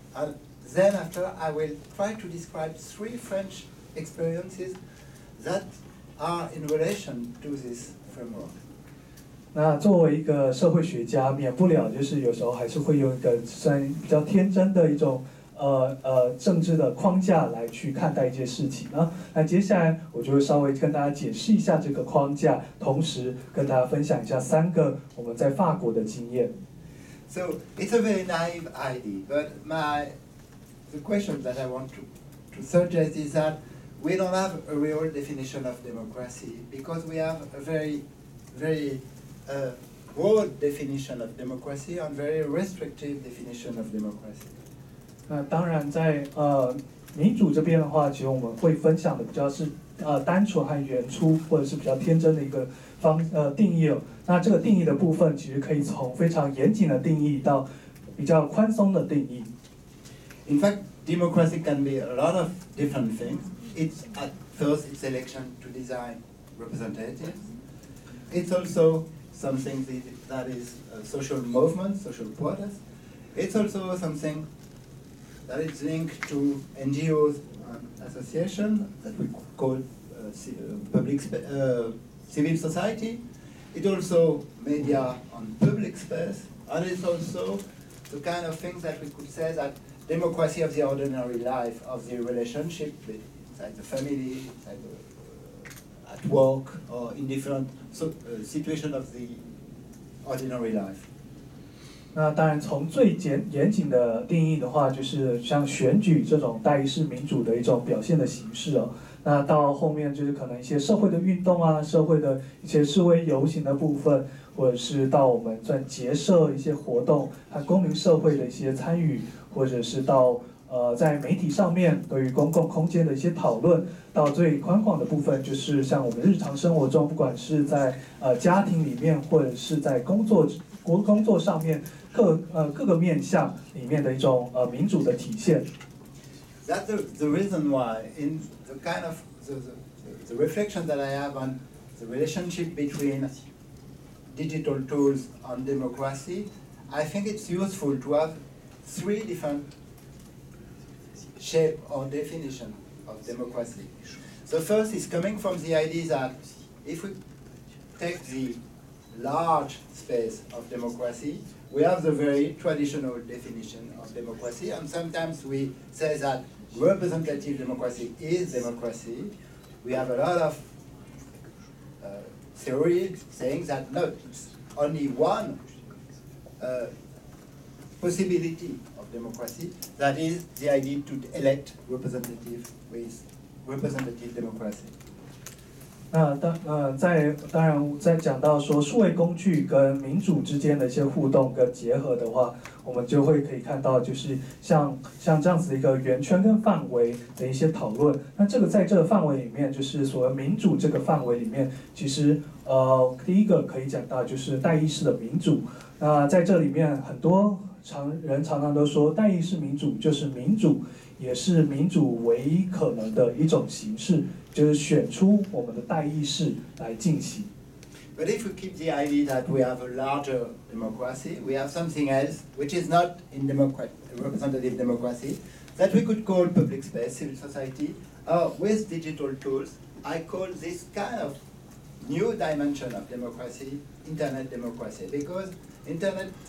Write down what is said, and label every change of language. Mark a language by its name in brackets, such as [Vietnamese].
[English] And then after, I will try to describe three French experiences that are in relation to this framework. [Chinese] 那作为一个社会学家，免不了就是有时候还是会用一个算比较天真的一种政治的框架来去看待一些事情啊。那接下来我就会稍微跟大家解释一下这个框架，同时跟大家分享一下三个我们在法国的经验。 [English] So it's a very naive idea, but the question that I want to suggest is that we don't have a real definition of democracy because we have a very, very broad definition of democracy and very restrictive definition of democracy. [Chinese] 那当然在民主这边的话，其实我们会分享的比较是单纯和原初，或者是比较天真的一个定义。那这个定义的部分，其实可以从非常严谨的定义到比较宽松的定义。 [English] In fact, democracy can be a lot of different things. It's at first its election to design representatives. It's also something that is a social movement, social protest. It's also something that is linked to NGOs and associations that we call civil society. It also media on public space, and it's also the kind of things that we could say that democracy of the ordinary life, of the relationship inside the family, inside at work, or in different situation of the ordinary life. [Chinese] 那当然从最严谨的定义的话，就是像选举这种代议式民主的一种表现的形式哦。那到后面就是可能一些社会的运动啊，社会的一些示威游行的部分，或者是到我们在结社一些活动和公民社会的一些参与，或者是到在媒体上面对于公共空间的一些讨论，到最宽广的部分就是像我们日常生活中，不管是在家庭里面，或者是在工作上面各个面向里面的一种民主的体现。 [English] That's the reason why in the kind of the reflection that I have on the relationship between digital tools and democracy, I think it's useful to have three different shape or definition of democracy. The first is coming from the idea that if we take the large space of democracy, we have the very traditional definition of democracy, and sometimes we say that representative democracy is democracy. We have a lot of theory saying that no, it's only one possibility of democracy, that is the idea to elect representative with representative democracy. [Chinese] 当然在讲到说数位工具跟民主之间的一些互动跟结合的话，我们就会可以看到就是像这样子的一个圆圈跟范围的一些讨论。那这个在这个范围里面，就是所谓民主这个范围里面，其实第一个可以讲到就是代议式的民主。那在这里面，很多人常常都说代议式民主就是民主，也是民主唯一可能的一种形式，就是选出我们的代议士来进行。 [English] But if we keep the idea that we have a larger democracy, we have something else which is not in representative democracy, that we could call public space, civil society, or with digital tools, I call this kind of new dimension of democracy, internet democracy, because internet